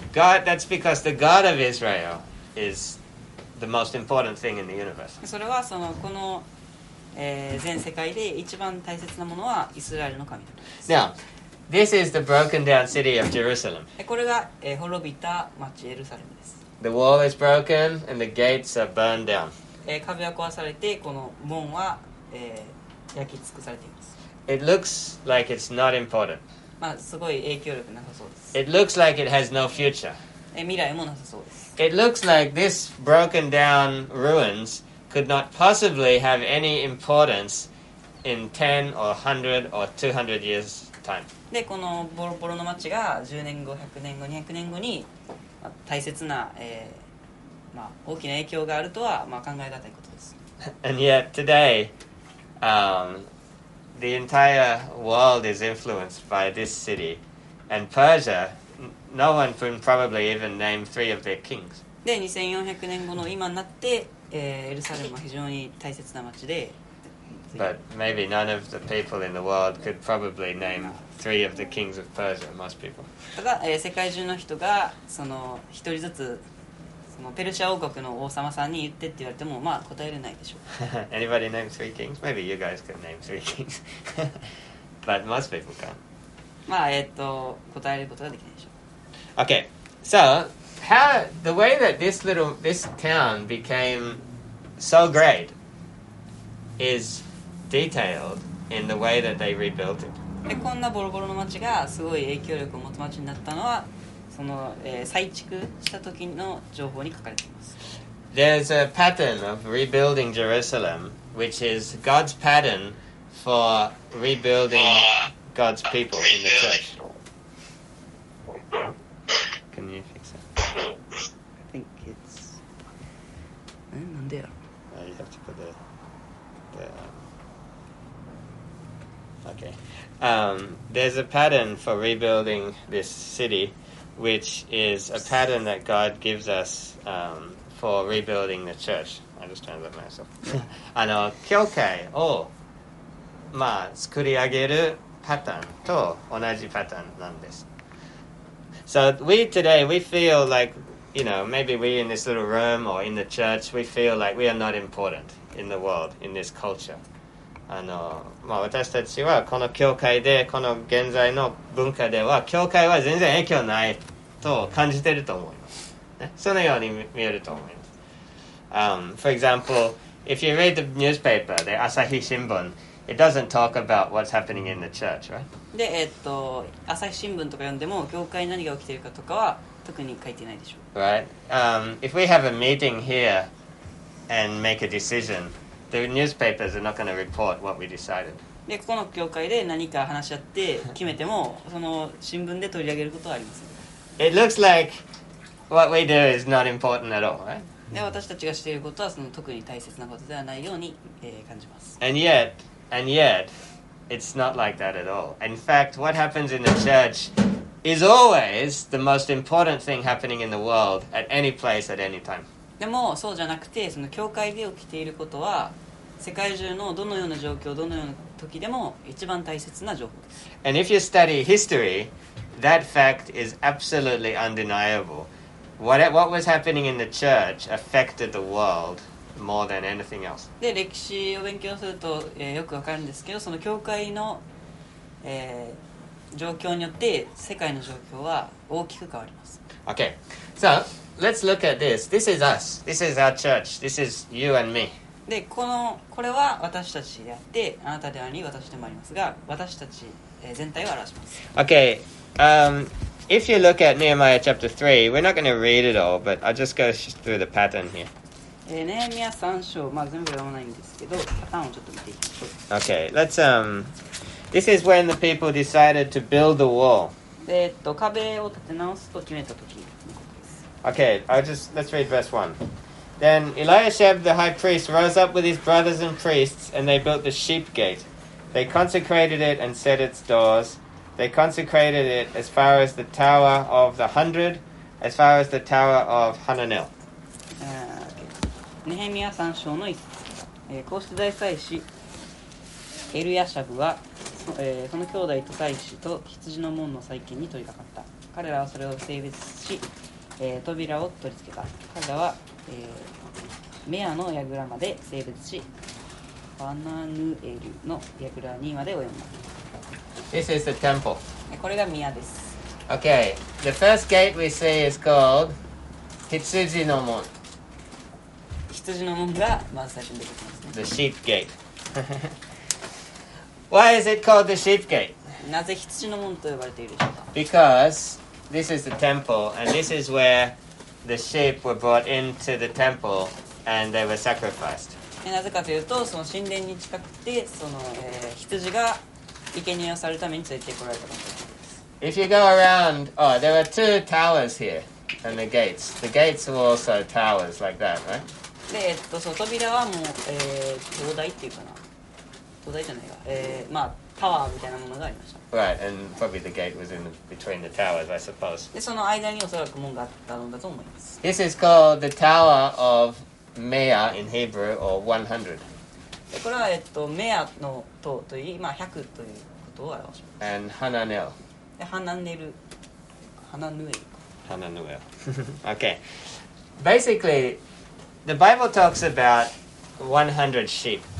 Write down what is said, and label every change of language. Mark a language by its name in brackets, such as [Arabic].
[English] God, that's because the God of Israel is the most important thing in the universe. [Japanese] それはそのこの、全世界で一番大切なものはイスラエルの神です。 [English] Now, this is the broken down city of Jerusalem. [Japanese] これが、滅びた町エルサレムです。 [English] The wall is broken and the gates are burned down. [Japanese] 壁は壊されてこの門は、焼き尽くされています。 [English] It looks like it's not important. [Japanese] まあ、すごい影響力なさそうです。 [English] It looks like it has no future. [Japanese] 未来もなさそうです。 [English] It looks like this broken down ruins could not possibly have any importance in 10 or 100 or 200 years time. [Japanese] で、このボロボロの街が10年後、100年後、200年後に大切な、まあ、大きな影響があるとは、まあ、考えがたいことです。 [English] And yet today, The entire world is influenced by this city. And Persia, no one can probably even name three of their kings. [Japanese] で、2400年後の今になって、エルサレムは非常に大切な街で。 [English] But maybe none of the people in the world could probably name three of the kings of Persia, most people. [Japanese] ただ、世界中の人がその一人ずつそのペルシャ王国の王様さんに言ってって言われてもまあ答えれないでしょう。 [English] Anybody name three kings? Maybe you guys can name three kings. But most people can't. [Japanese] まあ答えることができないでしょう。 [English] Okay. So, how the way that this little this town became so great is detailed in the way that they rebuilt it. [Japanese] で、こんなボロボロの街がすごい影響力を持つ街になったのはその、再築した時の情報に書かれています。 [English] There's a pattern of rebuilding Jerusalem, which is God's pattern for rebuilding God's people in the church. Can you fix that? I think it's... [Japanese] なんでやろ? [English] You have to put the... Okay. There's a pattern for rebuilding this city. Which is a pattern that God gives us for rebuilding the church. I just translate myself. [Japanese] あの、教会を、まあ、作り上げるパターンと同じパターンなんです。 [English] So we today, we feel like, you know, maybe we in this little room or in the church, we feel like we are not important in the world, in this culture. [Japanese] あの、まあ、私たちはこの教会でこの現在の文化では教会は全然影響ないと感じてると思います、ね、そのように見えると思います、 [English] For example, if you read the newspaper, the Asahi Shimbun, it doesn't talk about what's happening in the church, right? [Japanese] で、朝日新聞とか読んでも教会何が起きているかとかは特に書いてないでしょう。 [English] Right? If we have a meeting here and make a decisionThe newspapers are not going to report what we decided. [Japanese] で、ここの教会で何か話し合って決めても、その新聞で取り上げることはありません。 [English] It looks like what we do is not important at all, right? [Japanese] で、私たちがしていることはその特に大切なことではないように、感じます。 [English] And yet, it's not like that at all. In fact, what happens in the church is always the most important thing happening in the world at any place at any time. [Japanese] でもそうじゃなくてその教会で起きていることは世界中のどのような状況どのような時でも一番大切な情報です。 [English] And if you study history, that fact is absolutely undeniable. What was happening in the church affected the world more than anything else. [Japanese] で歴史を勉強すると、よくわかるんですけどその教会の、状況によって世界の状況は大きく変わります。 [English] Okay, soLet's look at this. This is us. This is our church. This is you and me. [Japanese] で、この、これは私たちであって、あなたであり、私でもありますが、私たち、全体を表します。 [English] Okay. If you look at Nehemiah chapter 3, we're not going to read it all, but I'll just go through the pattern here. [Japanese] Nehemiah 3章、まあ全部読まないんですけど、パターンをちょっと見ていきましょう。 [English] Okay. Let's This is when the people decided to build the wall. [Japanese] 壁を建て直すと決めた時のことです。 [English] Okay, let's read verse 1. Then Eliashib the high priest rose up with his brothers and priests, and they built the sheep gate. They consecrated it and set its doors. They consecrated it as far as the tower of the hundred, as far as the tower of Hananel. [Japanese] ネヘミヤ3章の1節、こうして大祭司エルヤシャブは その兄弟と祭司と羊の門の再建に取り掛かった。彼らはそれを整備し、扉を取り付けた。彼らは、メアの櫓まで整備し、ファナヌエルの櫓にまで及んだ。 [English] This is the temple. [Japanese] これが宮です。 [English] Okay, the first gate we see is called 羊の門。 The sheep gate. Why is it called the sheep gate? [Japanese] なぜ羊の門と呼ばれているでしょうか? [English] Because this is the temple, and this is where the sheep were brought into the temple, and they were sacrificed. [Japanese] なぜかというと、その神殿に近くて、その、羊が生贄をされるために連れてこられたものです。 [English] If you go around, oh, there are two towers here, and the gates. The gates are also towers like that, right? [Japanese] で、その扉はもう、灯台っていうかな、灯台じゃないか、まあタワーみたいなものがありました。 [English] Right, and probably the gate was in between the towers, I suppose. [Japanese] で、その間におそらく門があったのだと思います。 [English] This is called the Tower of Mea in Hebrew, or 100. [Japanese] で、これは、メアの塔という、まあ100ということを表します。 [English] And Hananel. [Japanese] で、ハナネル。ハナヌエル。 [English] ハナヌエル。Okay. Basically,The Bible talks about 100 sheep.